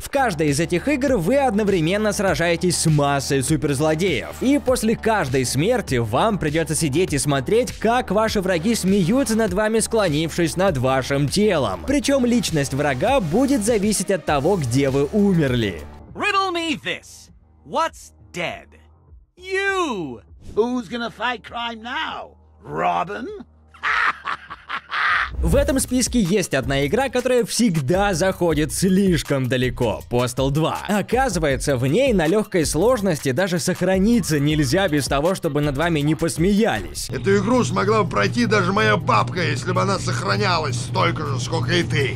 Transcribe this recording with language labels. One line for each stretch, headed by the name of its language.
Russian: В каждой из этих игр вы одновременно сражаетесь с массой суперзлодеев. И после каждой смерти вам придется сидеть и смотреть, как ваши враги смеются над вами, склонившись над вашим телом. Причем личность врага будет зависеть от того, где вы умерли.
English: Riddle me this. What's dead? You! Who's gonna fight crime now? Robin?
Russian: В этом списке есть одна игра, которая всегда заходит слишком далеко — Postal 2. Оказывается, в ней на легкой сложности даже сохраниться нельзя без того, чтобы над вами не посмеялись. Эту игру смогла бы пройти даже моя бабка, если бы она сохранялась столько же, сколько и ты.